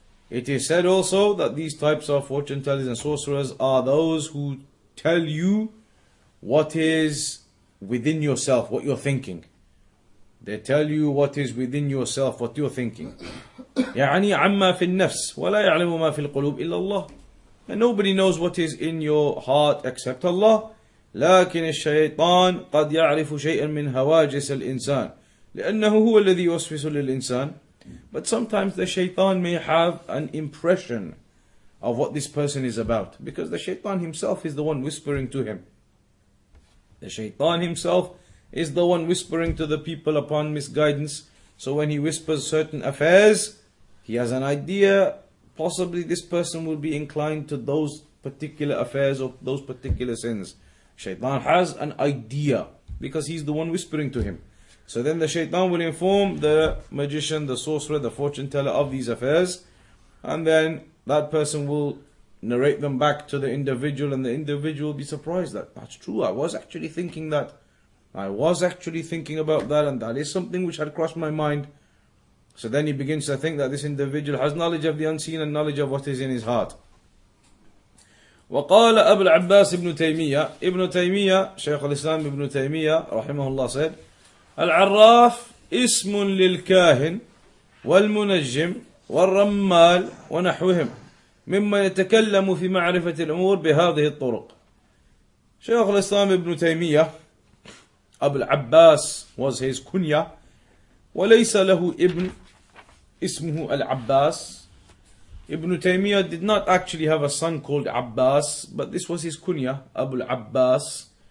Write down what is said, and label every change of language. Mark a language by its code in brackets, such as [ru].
[en] It is said also that these types of fortune tellers and sorcerers are those who tell you what is within yourself, what you're thinking. They tell you what is within yourself, what you're thinking. [ar] يعني عَمَّا فِي النَّفْسِ وَلَا يَعْلَمُ مَا فِي الْقُلُوبِ إِلَّا اللَّهِ. [en] And nobody knows what is in your heart except Allah. [ar] لكن الشيطان قد يعرف شيئا من هواجس الإنسان لأنه هو الذي يوسوس للإنسان. [en] But sometimes the shaitan may have an impression of what this person is about, because the shaitan himself is the one whispering to him. The shaitan himself is the one whispering to the people upon misguidance. So when he whispers certain affairs, he has an idea. Possibly this person will be inclined to those particular affairs or those particular sins. Shaitan has an idea because he's the one whispering to him. So then the shaitan will inform the magician, the sorcerer, the fortune teller of these affairs. And then that person will narrate them back to the individual, and the individual will be surprised that that's true. I was actually thinking that. I was actually thinking about that, and that is something which had crossed my mind. So then he begins to think that this individual has knowledge of the unseen and knowledge of what is in his heart. [ar] وَقَالَ أَبُ الْعَبَّاسِ إِبْنُ تَيْمِيَّةِ. [en] Ibn Taymiyyah, Shaykh al-Islam Ibn Taymiyyah, rahimahullah, said, [ar] العراف اسم للكاهن والمنجم والرمال ونحوهم مما يتكلم في معرفة الأمور بهذه الطرق. [en] Shaykh al-Islam Ibn Taymiyyah, Abu al-Abbas was his kunya. [ar] وليس له ابن اسمه العباس. [en] Ibn Taymiyyah did not actually have a son called Abbas, but this was his kunya, Abu al-Abbas.